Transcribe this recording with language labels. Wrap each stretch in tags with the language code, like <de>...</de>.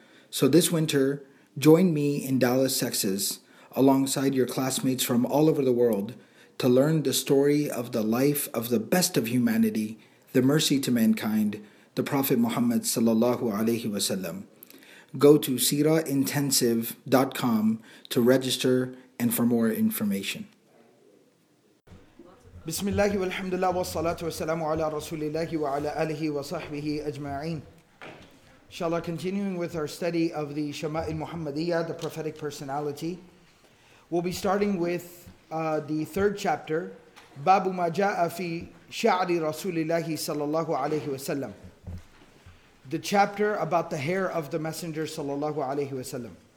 <en>So this winter, join me in Dallas, Texas, alongside your classmates from all over the world to learn the story of the life of the best of humanity, the mercy to mankind, the Prophet Muhammad ﷺ. Go to siraintensive.com to register and for more information.</en> <ar>بسم الله والحمد لله والصلاة والسلام على رسول الله وعلى آله وصحبه أجمعين.</ar> <en>Inshallah, continuing with our study of the Shama'il Muhammadiyyah, the prophetic personality, we'll be starting with the third chapter,</en> <ar>باب ما جاء في شعر رسول الله صلى الله عليه وسلم.</ar> <en>The chapter about the hair of the Messenger صلى الله عليه وسلم.</en>